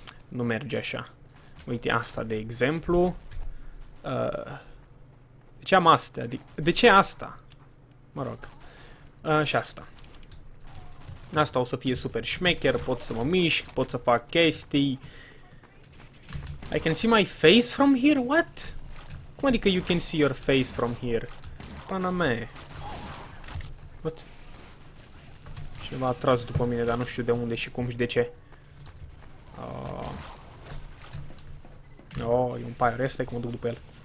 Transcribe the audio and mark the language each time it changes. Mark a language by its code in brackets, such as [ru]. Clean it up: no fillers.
[ro] Nu merge așa. Uite, asta de exemplu. De ce am astea? De ce asta? Mă rog. Și asta. Asta o să fie super șmecher, pot să mă mișc, pot să fac chestii. [en] I can see my face from here? What? [ro] Cum adică [en] you can see your face from here? [ro] Pana mea. [en] What? [ro] Cineva a tras după mine, dar nu știu de unde și cum și de ce. Oh, e un pyro, ăsta e cum mă duc după el.